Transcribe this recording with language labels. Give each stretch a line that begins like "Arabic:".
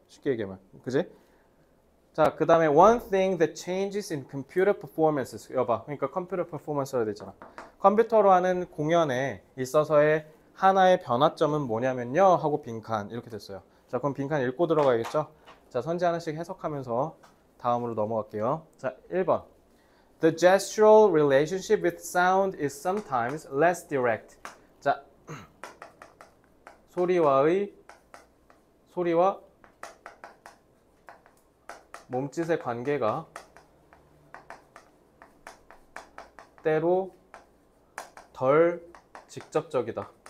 Korean: 쉽게 얘기하면. 그지? 자, 그 다음에
English: one thing that changes in computer performances.
Korean: 여봐. 그러니까 컴퓨터 퍼포먼스라 되잖아. 컴퓨터로 하는 공연에 있어서의 하나의 변화점은 뭐냐면요. 하고 빈칸. 이렇게 됐어요. 자, 그럼 빈칸 읽고 들어가야겠죠? 자, 선지 하나씩 해석하면서 다음으로 넘어갈게요. 자, 1번.
English: The gestural relationship with sound is sometimes less direct.
Korean: 자, 소리와 몸짓의 관계가 때로 덜 직접적이다.